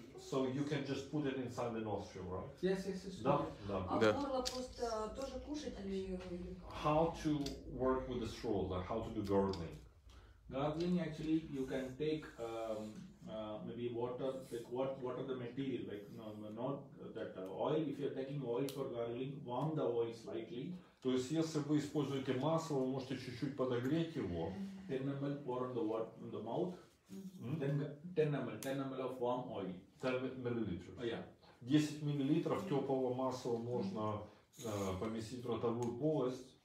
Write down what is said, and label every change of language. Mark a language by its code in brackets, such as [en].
[en] So you can just put it inside the nostril, right? Yes. [ru] Да, да. А горло просто тоже кушать или? [en] How to work with the straw? Like how to do gurgling? Gargling actually you can take maybe water, like what are the material, like oil, if you are taking oil for gargling, warm the oil slightly. [ru] То есть если вы используете масло, вы можете чуть-чуть подогреть его. [en] 10 ml pour on the water in the mouth. Ten ml of warm oil. 10 ml. Oh, yeah. [ru] 10 ml теплого масла можно поместить в ротовую полость.